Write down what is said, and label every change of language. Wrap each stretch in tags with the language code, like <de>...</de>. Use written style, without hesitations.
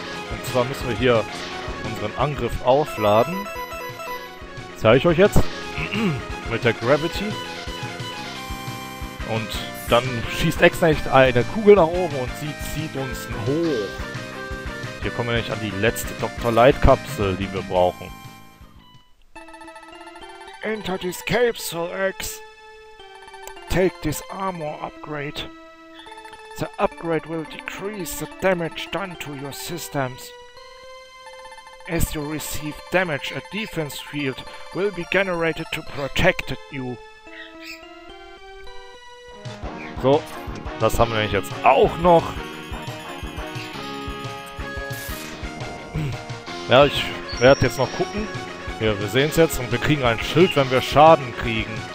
<de>Und zwar müssen wir hier unseren Angriff aufladen. Zeige ich euch jetzt. Mit der Gravity. Und dann schießt X-Nacht eine Kugel nach oben und sie zieht uns hoch. Hier kommen wir nämlich an die letzte Dr. Light-Kapsel, die wir brauchen.</de> <en>Enter this capsule, X. Take this armor upgrade. The upgrade will decrease the damage done to your systems. As you receive damage, a defense field will be generated to protect you.</en> <de>So, das haben wir nämlich jetzt auch noch. Ja, ich werde jetzt noch gucken. Ja, wir sehen es jetzt. Und wir kriegen ein Schild, wenn wir Schaden kriegen.</de>